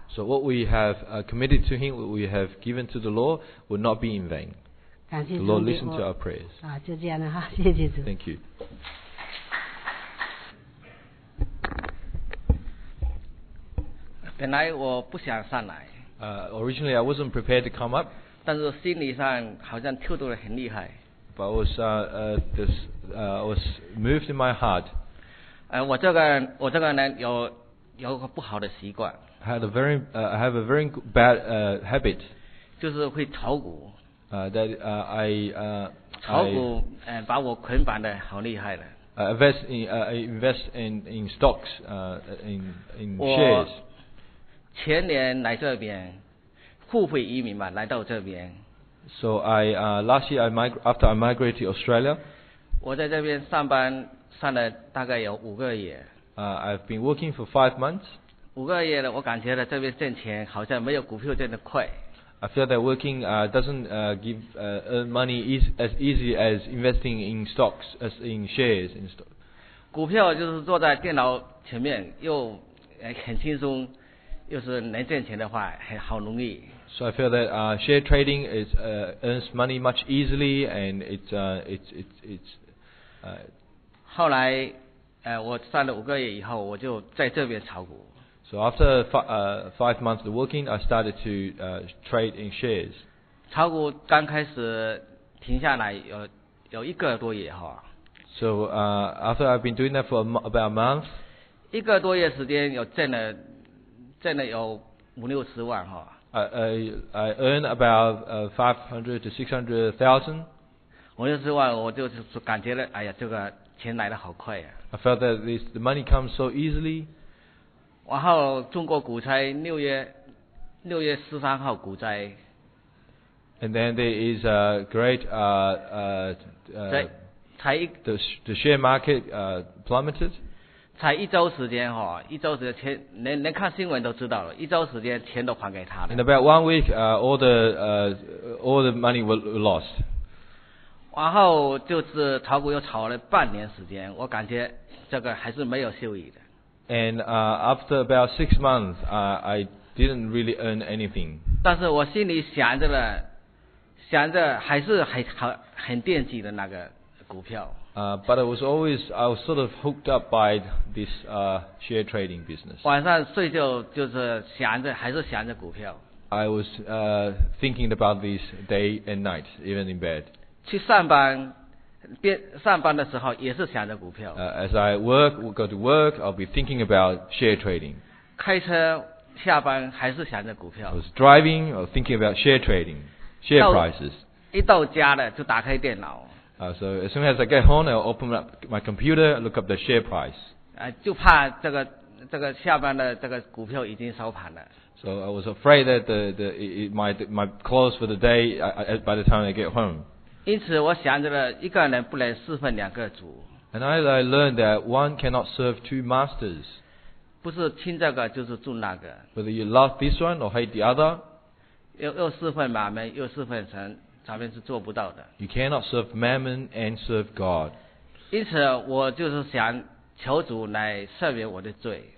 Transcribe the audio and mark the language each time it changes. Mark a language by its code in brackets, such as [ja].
[en] So what we have committed to Him, what we have given to the Lord, will not be in vain. [zh] 感谢主， [en] the Lord listen to our prayers. [zh] 就这样了哈，谢谢主。 [en] Thank you. [zh] 本来我不想上来。 [en] Originally I wasn't prepared to come up. [zh] 但是心理上好像跳动得很厉害。 [en] But I was was moved in my heart. [zh] 我这个人有个不好的习惯。 [en] I have a very bad habit. [zh] 就是会炒股。炒股把我捆绑得好厉害的。 [en] Invest in stocks, in shares. [zh] 前年来这边，互惠移民嘛，来到这边。 [en] So I last year I migrated to Australia. [zh] 我在这边上班上了大概有五个月。 [en] I've been working for 5 months. [zh] 五个月了，我感觉到这边挣钱好像没有股票挣得快。 [en] I feel that working earn money as easy as investing in stocks, as in shares and stocks. [zh] 股票就是坐在电脑前面又很轻松，又是能赚钱的话，很好容易。 [en] So I feel that share trading is earns money much easily, and it's [zh] 后来我上了五个月以后，我就在这边炒股。 [en] So after five months of working, I started to trade in shares. [zh] 炒股刚开始停下来有一个多月哈。 [en] So after I've been doing that for about a month, [zh] 一个多月时间有挣了有五六十万哈。 [en] I earn about 500,000 to 600,000. [zh] 五六十万我就感觉了，哎呀，这个钱来得好快呀。 [en] I felt that the money comes so easily. [zh] 然后中国股灾，六月十三号股灾。 [en] And then there is a great the share market plummeted. [zh] 才一周时间哈，一周时间钱能看新闻都知道了，一周时间钱都还给他了。 [en] In about one week, all the money were lost. [zh] 然后就是炒股又炒了半年时间，我感觉这个还是没有收益的。 [en] And after about 6 months, I didn't really earn anything. [zh] 但是我心里想着了。想着还是很惦记的那个股票。 [en] But I was sort of hooked up by this share trading business. [zh] 晚上睡觉就是想着，还是想着股票。 [en] I was thinking about this day and night, even in bed. [zh] 去上班的时候也是想着股票。 [en] As I work, we go to work, I'll be thinking about share trading. [zh] 开车下班还是想着股票。 [en] I was driving, I was thinking about share trading. Share prices. [zh] 一到家了就打开电脑。 [en] So as soon as I get home, I'll open up my computer, look up the share price. [zh] 就怕这个下班的这个股票已经收盘了。 [en] So I was afraid that my close for the day by the time I get home. [zh] 因此我想着了，一个人不能侍奉两个主。 [en] And I learned that one cannot serve two masters. [zh] 不是亲这个就是重那个。 [en] Whether you love this one or hate the other. [zh] 又侍奉马门，又侍奉神，咱们是做不到的。 [en] You cannot serve mammon and serve God. [zh] 因此，我就是想求主来赦免我的罪。